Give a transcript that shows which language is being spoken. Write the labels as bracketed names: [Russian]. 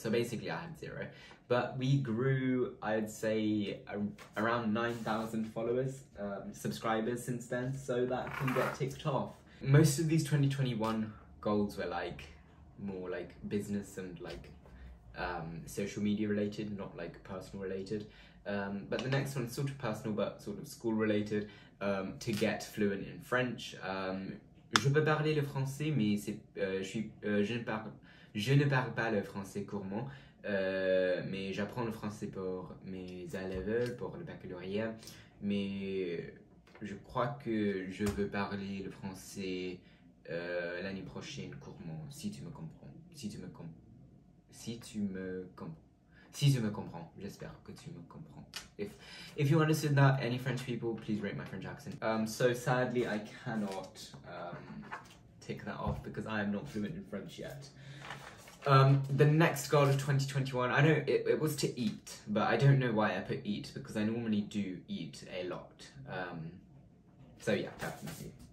[English] So basically I had zero, but we grew, I'd say around 9,000 followers, subscribers since then, so that can get ticked off. Most of these 2021 goals were like more like business and like social media related, not like personal related. But the next one is sort of personal, but sort of school related, to get fluent in French. [French] Je peux parler le français, mais c'est, je ne parle pas le français couramment, mais j'apprends le français pour mes A-level, pour le baccalauréat, mais je crois que je veux parler le français l'année prochaine couramment, si tu me comprends, si tu me comprends, j'espère que tu me comprends. [English] If you understood that, any French people, please rate my French accent. So sadly, I cannot tick that off because I am not fluent in French yet. The next goal of 2021, I know it was to eat, but I don't know why I put eat because I normally do eat a lot. So yeah, definitely.